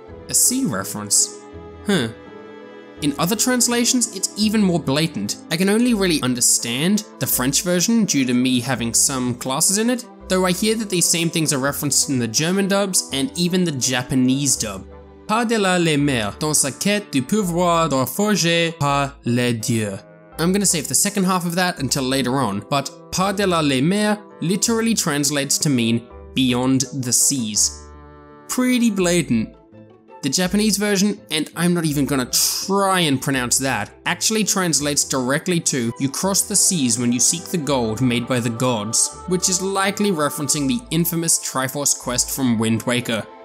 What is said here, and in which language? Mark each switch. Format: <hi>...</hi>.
<en>A sea reference? Huh. In other translations, it's even more blatant. I can only really understand the French version due to me having some classes in it, though I hear that these same things are referenced in the German dubs and even the Japanese dub.</en> <fr>Par-delà les mers, dans sa quête du pouvoir de forger par les dieux.</fr> <en>I'm gonna save the second half of that until later on, but</en> <fr>par-delà les mers</fr> <en>literally translates to mean beyond the seas. Pretty blatant. The Japanese version, and I'm not even gonna try and pronounce that, actually translates directly to you cross the seas when you seek the gold made by the gods, which is likely referencing the infamous Triforce quest from Wind Waker.</en>